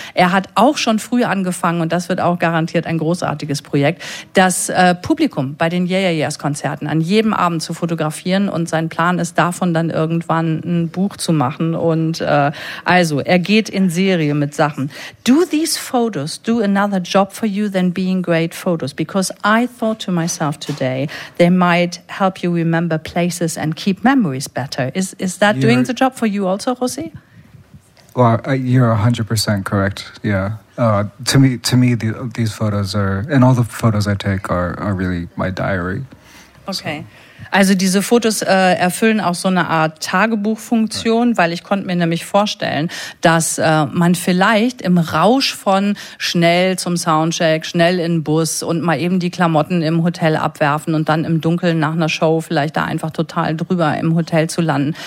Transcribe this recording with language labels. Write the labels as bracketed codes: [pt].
[de] Er hat auch schon früh angefangen, und das wird auch garantiert ein großartiges Projekt, das Publikum bei den Yeah Yeah Yeahs Konzerten an jedem Abend zu fotografieren. Und sein Plan ist davon dann irgendwann ein Buch zu machen. Und also, er geht in Serie mit Sachen. [en] Do these photos do another job for you than being great photos? Because I thought to myself today, they might help you remember places and keep memories better. Is that doing the job for you also, José? Well, you're 100% correct, yeah. To me, these photos are, and all the photos I take are really my diary. Okay. So. [de] Also diese Fotos erfüllen auch so eine Art Tagebuchfunktion, weil ich konnte mir nämlich vorstellen, dass man vielleicht im Rausch von schnell zum Soundcheck, schnell in den Bus und mal eben die Klamotten im Hotel abwerfen und dann im Dunkeln nach einer Show vielleicht da einfach total drüber im Hotel zu landen.